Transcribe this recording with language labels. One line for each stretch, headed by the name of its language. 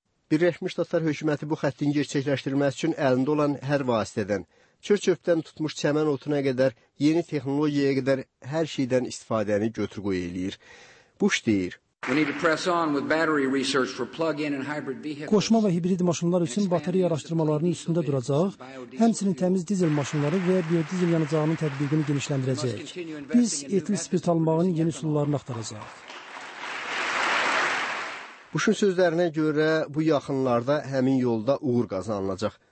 Azerbaijani: Birləşmiş Ştatlar hökuməti bu xəttin gerçəkləşdirilməsi üçün əlində olan hər vasitədən, çör-çöpdən tutmuş çəmən otuna qədər, yeni texnologiyaya qədər hər şeydən istifadəni götür-qoy eləyir. Bush deyir,
English: we need to press on with battery research for plug-in and hybrid vehicles.
Azerbaijani: Qoşma və hibrid maşınlar üçün batareya araşdırmalarının üstündə duracaq, həmçinin təmiz dizel maşınları və biodizel yanacağının tətbiqini genişləndirəcək. Biz etil spirt almağın yeni üsullarını axtaracaq. Bush'un sözlərinə görə bu yaxınlarda həmin yolda uğur qazanılacaq.